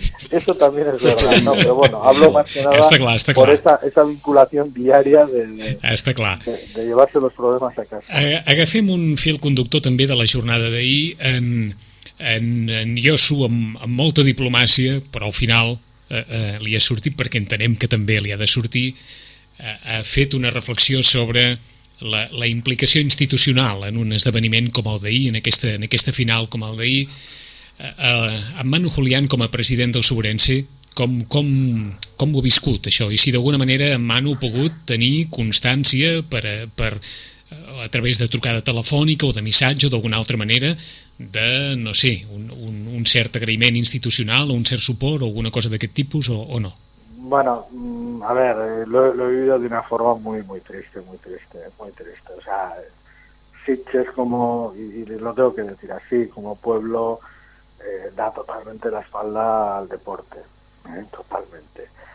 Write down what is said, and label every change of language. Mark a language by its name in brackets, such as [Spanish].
[Spanish] Eso también es verdad, no, pero bueno, hablo más que nada [Catalan] está clar, [Spanish] por esta vinculación diaria [Catalan] está clar. [Spanish] De llevarse los problemas a casa. [Catalan] Agafem un fil conductor també de la jornada d'ahir en Josu amb molta diplomàcia, però al final li ha sortit, perquè entenem que també li ha de sortir, ha fet una reflexió sobre la implicació institucional en un esdeveniment com el d'ahir, en aquesta final com el d'ahir, amb Manu Julián com a president del Sobrense, com ho ha viscut això? I si d'alguna manera Manu ha pogut tenir constància per a través de trucada telefònica o de missatge o d'alguna altra manera de, no sé, un cert agraïment institucional o un cert suport o alguna cosa d'aquest tipus o no? [Spanish] Bueno, a ver, lo he vivido de una forma muy, muy triste, muy triste, muy triste. O sea, Sitges como, y lo tengo que decir así, como pueblo, da totalmente la espalda al deporte, totalmente.